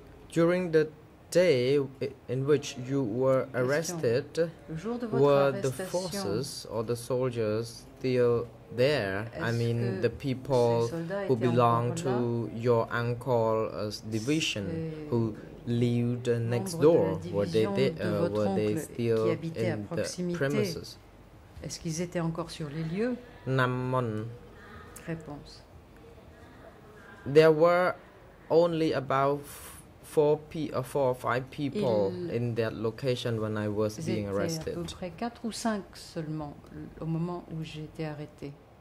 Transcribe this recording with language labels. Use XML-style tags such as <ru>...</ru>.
<en>During the day in which you were arrested, were the forces or the soldiers still there? I mean, the people who belong to your uncle's division, who lived next door, were they still in the premises?</en> <fr>Est-ce qu'ils étaient encore sur les lieux? Namon. Réponse.</fr> <en>There were only about four or five people in that location when I was being arrested.</en> <fr>À peu près 4 ou 5 seulement au moment où j'ai été arrêté.</fr>